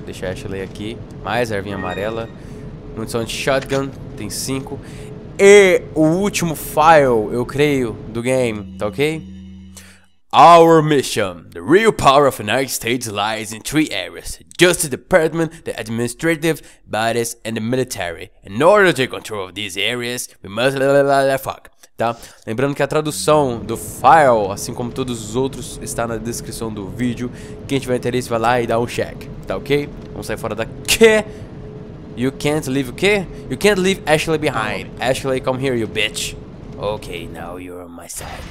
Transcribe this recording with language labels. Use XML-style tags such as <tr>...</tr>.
<pt>Deixa a Ashley aqui, mais ervinha amarela, munição de shotgun, tem 5. E o último file, eu creio, do game, tá ok?</pt> <en>Our mission. The real power of the United States lies in three areas. Justice Department, the administrative bodies, and the military. In order to take control of these areas, we must... Fuck.</en> <pt>Tá? Lembrando que a tradução do file, assim como todos os outros, está na descrição do vídeo. Quem tiver interesse, vai lá e dá um check. Tá ok? Vamos sair fora daqui.</pt> <en>You can't leave</en> <pt>o quê?</pt> <en>You can't leave Ashley behind. Ashley, come here, you bitch. Okay, now you're on my side.</en>